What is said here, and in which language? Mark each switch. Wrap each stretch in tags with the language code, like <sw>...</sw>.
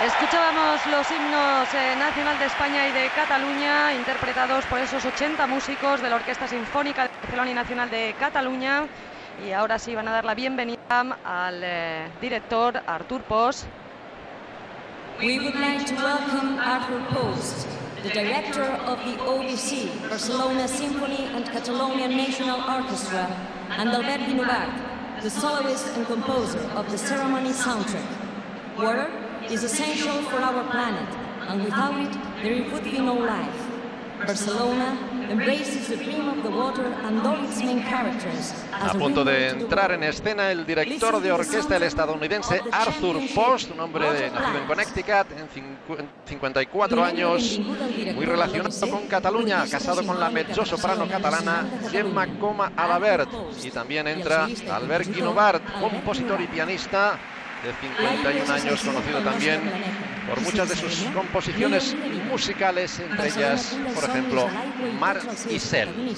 <es>todos los himnos nacional de España y de Cataluña, interpretados por esos 80 músicos de la Orquesta Sinfónica de Barcelona y Nacional de Cataluña. Y ahora sí van a dar la bienvenida al director Artur Pos.</es> <en>We would like to welcome Artur Pos, the director of the OBC, Barcelona Symphony and Catalonia National Orchestra, and Albert Vinovart, the soloist and composer of the ceremony soundtrack. Water is essential for our planet, and without it, there would be no life. Barcelona embraces the dream of the water and all its main characters.</en> <es>A punto de entrar en escena el director de orquesta, el estadounidense Artur Pos, un hombre nacido en Connecticut, en 54 años, muy relacionado con Cataluña, casado con la mezzosoprano catalana Gemma Coma Alabert. Y también entra Albert Guinovart, compositor y pianista de 51 años, conocido también por muchas de sus composiciones musicales, entre ellas, por ejemplo, Mar y Sel.</es>